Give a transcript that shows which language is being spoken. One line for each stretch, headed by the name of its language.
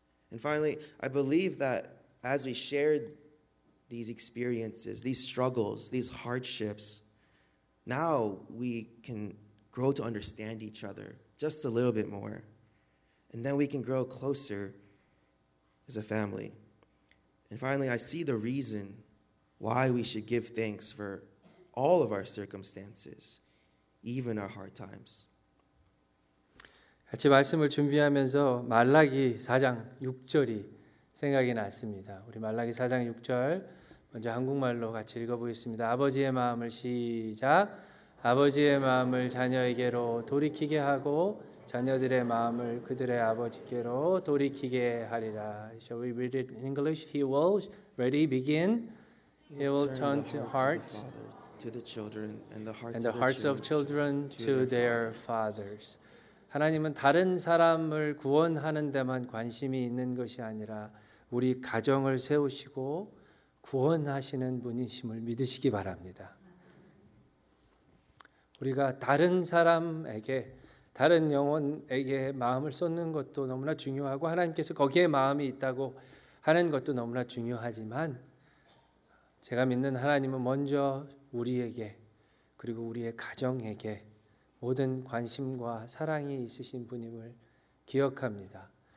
English: And finally, I believe that as we shared these experiences, these struggles, these hardships, now we can grow to understand each other just a little bit more. And then we can grow closer as a family. And finally, I see the reason why we should give thanks for all of our circumstances, even our hard times.
Korean: 같이 말씀을 준비하면서 말라기 4장 6절이 생각이 났습니다. 우리 말라기 4장 6절 먼저 한국말로 같이 읽어보겠습니다. 아버지의 마음을 시작! 아버지의 마음을 자녀에게로 돌이키게 하고 자녀들의 마음을 그들의 아버지께로 돌이키게 하리라.
English: Shall we read it in English? He will, ready, begin. He will turn to hearts to the children and the hearts, and the hearts of children to their fathers.
Korean: 하나님은 다른 사람을 구원하는 데만 관심이 있는 것이 아니라 우리 가정을 세우시고 구원하시는 분이심을 믿으시기 바랍니다. 우리가 다른 사람에게, 다른 영혼에게 마음을 쏟는 것도 너무나 중요하고 하나님께서 거기에 마음이 있다고 하는 것도 너무나 중요하지만 제가 믿는 하나님은 먼저 우리에게 그리고 우리의 가정에게 모든 관심과 사랑이 있으신 분임을 기억합니다.